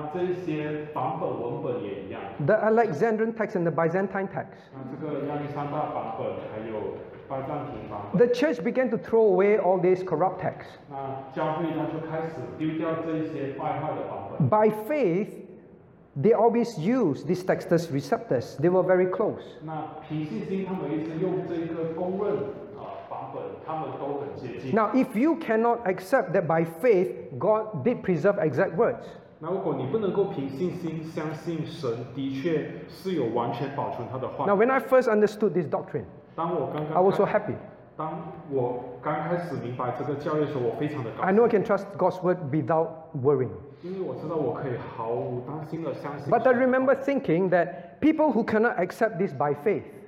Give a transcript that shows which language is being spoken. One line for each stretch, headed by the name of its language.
Chinese: 那这些版本文本也一样,
English: the Alexandrian text and the Byzantine text.
Chinese: 那这个亚历山大版本还有拜占庭版本,
English: the church began to throw away all these corrupt texts.
Chinese: 那教会呢就开始丢掉这些败坏的版本。
English: By faith, they always use these textus receptus. They were very close.
Chinese: 那凭信心他们一直用这个公认版本，他们都很接近。
English: Now, if you cannot accept that by faith God did preserve exact words.
Chinese: 那如果你不能够凭信心相信神的确是有完全保存他的话,
English: now, when I first understood this doctrine,
Chinese: 当我刚刚开,
English: I was so happy.
Chinese: 当我刚开始明白这个教义的时候，我非常的高兴.
English: I know I can trust God's word without worrying.
Chinese: 因为我知道我可以毫无担心的相信神.
English: But I remember thinking that people who cannot accept this by faith,